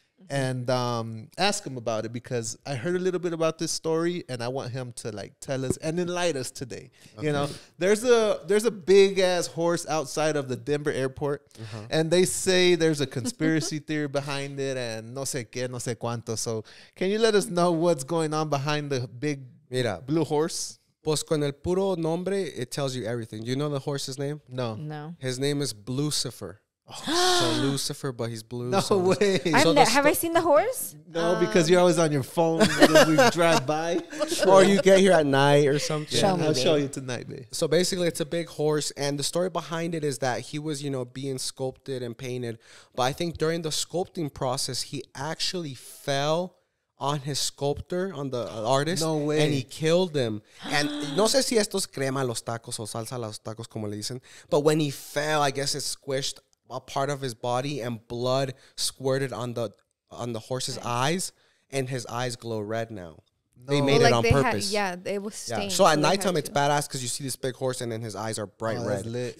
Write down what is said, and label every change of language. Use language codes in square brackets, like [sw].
[en] and ask him about it, because I heard a little bit about this story and I want him to like tell us and enlighten us today. Okay. You know, there's a big ass horse outside of the Denver airport, and they say there's a conspiracy theory behind it and [es] no sé qué, no sé cuánto. [en] So can you let us know what's going on behind the big [es] Mira. [en] Blue horse? [es] Pues con el puro nombre, [en] it tells you everything. You know the horse's name? No. No. His name is Blucifer. Oh, so Lucifer, but he's blue. No so way. So have I seen the horse? No, because you're always on your phone when we drive by. Or you get here at night or something. Show me. I'll show you tonight, babe. So basically, it's a big horse. And the story behind it is that he was, you know, being sculpted and painted. But I think during the sculpting process, he actually fell on his sculptor, on the artist. No way. And he killed him. [es] And no sé si esto es crema a los tacos o salsa a los tacos, como le dicen. [en] But when he fell, I guess it squished a part of his body and blood squirted on the horse's eyes. And his eyes glow red now. No. They made it on purpose. It was stained. So at nighttime, it's badass because you see this big horse and then his eyes are bright red. Lit.